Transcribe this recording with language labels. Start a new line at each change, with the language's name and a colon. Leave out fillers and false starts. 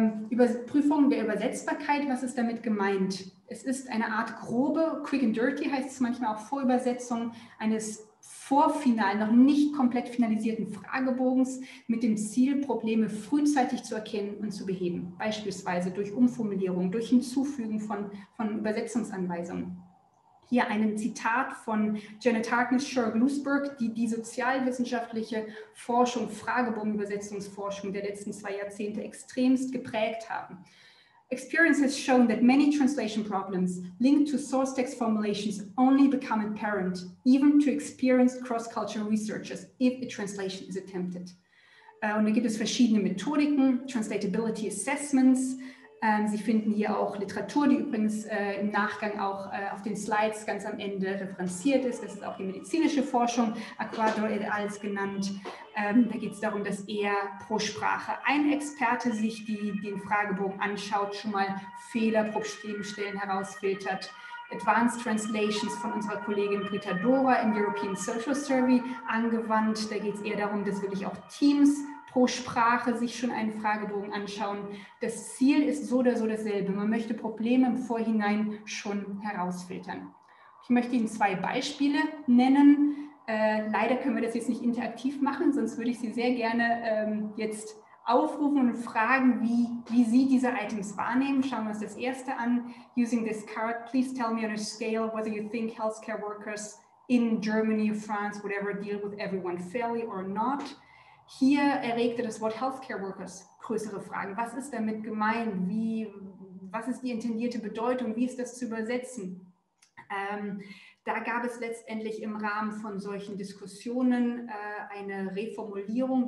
German: Überprüfung der Übersetzbarkeit, was ist damit gemeint? Es ist eine Art grobe, quick and dirty heißt es manchmal auch, Vorübersetzung eines vorfinal noch nicht komplett finalisierten Fragebogens mit dem Ziel, Probleme frühzeitig zu erkennen und zu beheben, beispielsweise durch Umformulierung, durch Hinzufügen von Übersetzungsanweisungen. Hier ein Zitat von Janet Harkness, Sheryl Glusberg, die die sozialwissenschaftliche Forschung, Fragebogenübersetzungsforschung der letzten zwei Jahrzehnte extremst geprägt haben.
English: Experience has shown that many translation problems linked to source text formulations only become apparent, even to experienced cross-cultural researchers, if a translation is attempted.
German: Und da gibt es verschiedene Methodiken, Translatability Assessments. Sie finden hier auch Literatur, die übrigens im Nachgang auch auf den Slides ganz am Ende referenziert ist. Das ist auch die medizinische Forschung, Aguado et al. Genannt. Da geht es darum, dass eher pro Sprache ein Experte sich den Fragebogen anschaut, schon mal Fehler, Problemstellen herausfiltert. Advanced Translations von unserer Kollegin Britta Dora im European Social Survey angewandt. Da geht es eher darum, dass wirklich auch Teams pro Sprache sich schon einen Fragebogen anschauen. Das Ziel ist so oder so dasselbe. Man möchte Probleme im Vorhinein schon herausfiltern. Ich möchte Ihnen zwei Beispiele nennen. Leider können wir das jetzt nicht interaktiv machen, sonst würde ich Sie sehr gerne jetzt aufrufen und fragen, wie Sie diese Items wahrnehmen. Schauen wir uns das erste an.
English: Using this card, please tell me on a scale whether you think healthcare workers in Germany or France, whatever, deal with everyone fairly or not.
German: Hier erregte das Wort Healthcare Workers größere Fragen. Was ist damit gemeint? Was ist die intendierte Bedeutung? Wie ist das zu übersetzen? Da gab es letztendlich im Rahmen von solchen Diskussionen eine Reformulierung.